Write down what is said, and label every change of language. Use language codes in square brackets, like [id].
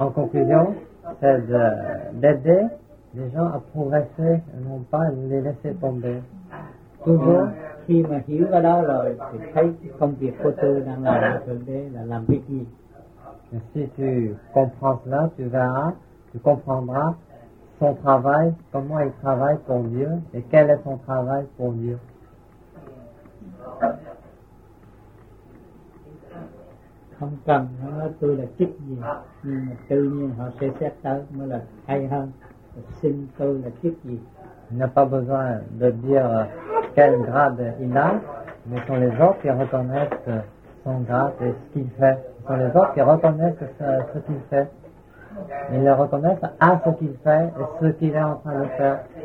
[fr] En conclusion, c'est d'aider les gens à progresser, non pas les laisser tomber. [vi] Toujours, khi mà hiểu cái đó rồi, thì thấy công việc của tôi đang làm là thực tế là làm việc gì. [fr] Si tu comprends cela, tu verras, tu comprendras son travail, comment il travaille pour Dieu et quel est son travail pour Dieu. [vi] Không cần nói tôi là chức gì, nhưng mà tự nhiên họ sẽ xét tới mới là hay hơn. Xin tôi là chức gì. [fr] Il n'a pas besoin de dire quel grade il a, mais ce sont les autres qui reconnaissent son grade et ce qu'il fait. Ce sont les autres qui reconnaissent ce qu'il fait. Ils le reconnaissent à ce qu'il fait et ce qu'il est en train de faire.